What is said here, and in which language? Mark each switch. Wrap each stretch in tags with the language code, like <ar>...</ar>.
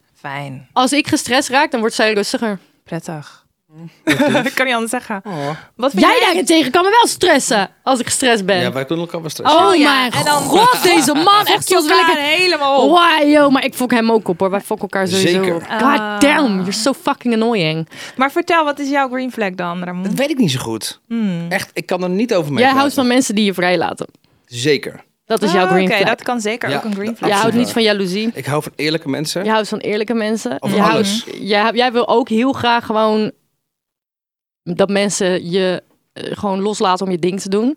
<nl>Fijn. Als ik gestresst raak, dan wordt zij rustiger. Prettig. Ik kan niet anders zeggen. Oh. Wat vind jij daarentegen kan me wel stressen als ik gestrest ben. Ja, wij kunnen elkaar wel stressen. Oh ja. Mijn en dan god, deze man. Echt zoals wil ik het helemaal op. Wow, maar ik fok hem ook op hoor. Wij fokken elkaar sowieso zeker. Op.</nl> <en>God damn, you're so fucking annoying.</en> <nl>Maar vertel, wat is jouw green flag dan, Ramon? Dat weet ik niet zo goed. Hmm. Echt, ik kan er niet over mee jij houdt van mensen die je vrij laten. Zeker. Dat is jouw green flag. Oké, dat kan zeker ook een green flag. Je houdt niet van jaloezie. Ik hou van eerlijke mensen. Je houdt van eerlijke mensen. Of alles. Jij wil ook heel graag gewoon... dat mensen je gewoon loslaten om je ding te doen.</nl>